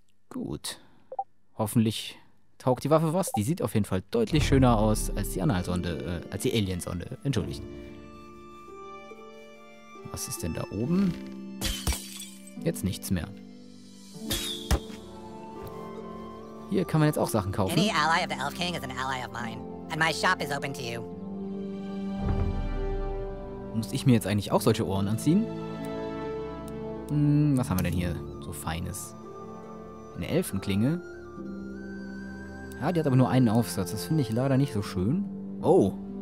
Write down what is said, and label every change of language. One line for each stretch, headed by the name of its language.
German: Gut. Hoffentlich taugt die Waffe was. Die sieht auf jeden Fall deutlich schöner aus als die Analsonde. Als die Aliensonde. Entschuldigt. Was ist denn da oben? Jetzt nichts mehr. Hier kann man jetzt auch Sachen kaufen.
English: Any ally of the Elf King is an ally of mine. And my shop is open to you.
German: Muss ich mir jetzt eigentlich auch solche Ohren anziehen? Was haben wir denn hier so Feines? Eine Elfenklinge? Ja, die hat aber nur einen Aufsatz. Das finde ich leider nicht so schön. Oh!